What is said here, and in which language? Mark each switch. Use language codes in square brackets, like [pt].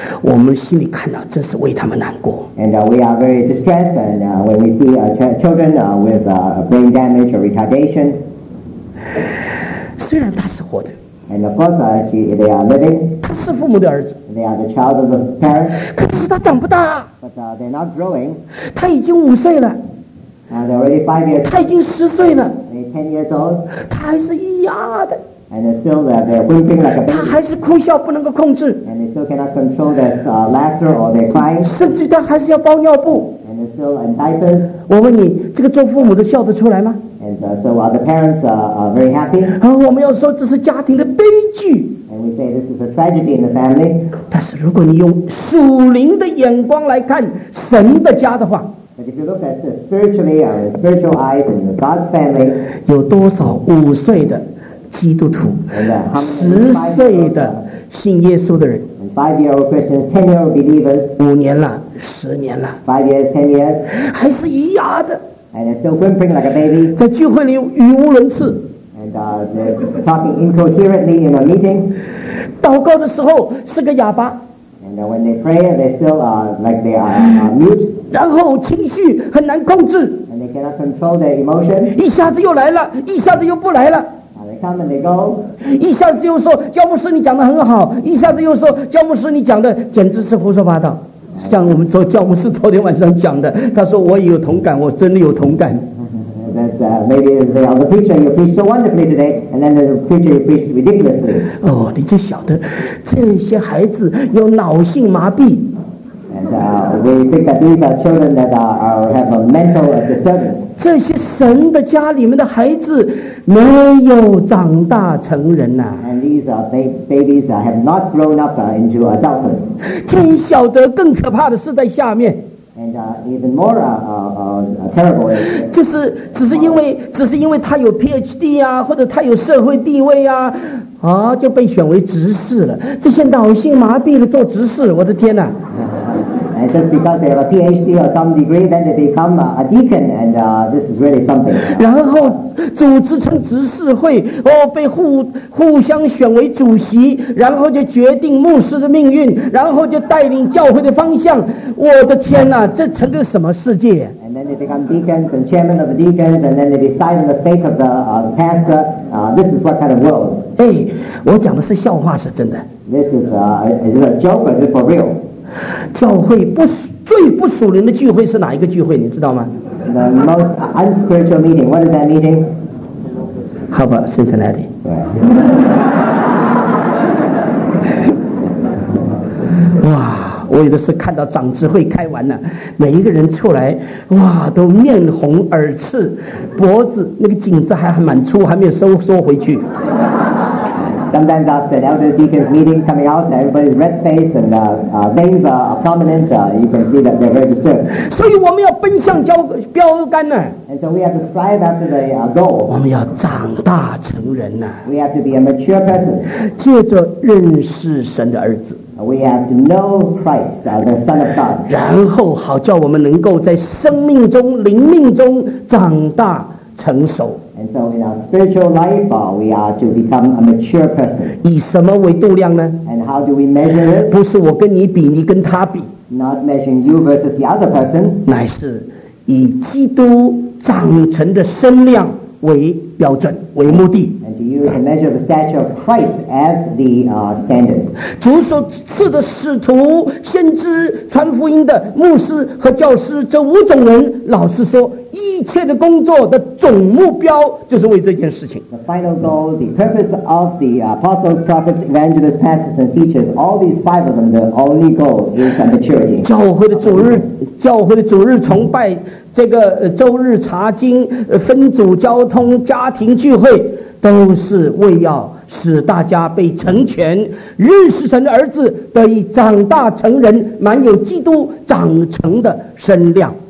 [zh] 我们心里看到，真是为他们难过。 [en] And we are very distressed, and when we see children with brain damage or retardation. [zh] 虽然他是活的。 [en] And of course, they are living. [zh] 他是父母的儿子。 [en] They are the child of the parents. [zh] 可是他长不大。 [en] But they're not growing. [zh] 他已经五岁了。 [en] They're already 5 years. [zh] 他已经十岁了。 [en] 10 years old. [zh] 他还是咿呀的。 [en] And still they're whimpering like a baby. [zh] 他还是哭笑不能够控制。 [en] And they still cannot control their laughter or their crying. [zh] 甚至他还是要包尿布。 [en] And and diapers. [zh] 我问你，这个做父母的笑得出来吗？ [en] And so are the parents are very happy. [zh] 我们要说这是家庭的悲剧。 [en] And we say this is a tragedy in the family. [zh] 但是如果你用属灵的眼光来看神的家的话。 [en] But if you look at this spiritually, our spiritual eyes in God's family, [zh] 有多少五岁的基督徒，十岁的信耶稣的人， [en] 5-year-old Christians, 10-year-old believers, [zh] 五年了，十年了， [en] 5 years, 10 years, [zh] 还是咿呀的， [en] and they're still whimpering like a baby, [zh] 在聚会里语无伦次， [en] and they're talking incoherently in a meeting, [zh] 祷告的时候是个哑巴， [en] and when they pray, they're still like they are mute, [zh] 然后情绪很难控制， [en] and they cannot control their emotion, [zh] 一下子又来了，一下子又不来了。 [en] Come and they go. [zh] 一下子又说教牧师你讲的很好，一下子又说教牧师你讲的简直是胡说八道。像我们做教牧师昨天晚上讲的，他说我也有同感，我真的有同感。 [en] That's maybe the other preacher you preach so wonderfully today, and then the preacher you preach ridiculously. [zh] 哦，你就晓得这些孩子有脑性麻痹。 [en] And we think that these are children that have a mental disturbance. [zh] 这些神的家里面的孩子没有长大成人呐、啊。 [en] And these are babies that have not grown up into adulthood. [zh] 天晓得更可怕的是在下面。 [en] And even more terrible. [zh] 就是只是因为他有 PhD 啊，或者他有社会地位啊，啊就被选为执事了。这些脑性麻痹的做执事，我的天哪！ [en] And just because they have a PhD or some degree, then they become a deacon, and this is really something. [zh] 然后组织成执事会，哦，被互相选为主席，然后就决定牧师的命运，然后就带领教会的方向。我的天哪，这成个什么世界？ [en] And then they become deacons and chairman of the deacons, and then they decide on the fate of the pastor. This is what kind of world? [zh] Hey, 我讲的是笑话，是真的。 [en] This is a joke, or is it for real? [zh] 教会不最不属灵的聚会是哪一个聚会？你知道吗 [en] ？The most unspiritual meeting. What is that meeting? How about Cincinnati? Right. [zh] 哇，我有的是看到长执会开完了，每一个人出来，哇，都面红耳赤，脖子那个颈子还蛮粗，还没有缩回去。 [en] Sometimes after the elder deacon's meeting coming out, everybody's red face and veins are prominent. You can see that they're very disturbed. [zh] 所以我们要奔向标杆呢。 [en] And so we have to strive after the goal. [zh] 我们要长大成人呢。 [en] We have to be a mature person. [zh] 借着认识神的儿子。 [en] We have to know Christ, the Son of God. [zh] 然后好叫我们能够在生命中、灵命中长大成熟。 [en] And so in our spiritual life, we are to become a mature person. [zh] 以什么为度量呢？ [en] And how do we measure it? [zh] 不是我跟你比，你跟他比。 [en] Not measuring you versus the other person. [zh] 乃是以基督长成的身量为标准，为目的。 [en] And to use the measure of the stature of Christ as the standard. [zh] 主所赐的使徒、先知、传福音的牧师和教师这五种人，老实说。一切的工作的总目标就是为这件事情。 [en] The final goal, the purpose of the apostles, prophets, evangelists, pastors, and teachers, all these five of them, the only goal is maturity. [zh] 教会的主日崇拜，这个周日查经，分组交通，家庭聚会，都是为要使大家被成全，认识神的儿子，得以长大成人，满有基督长成的身量。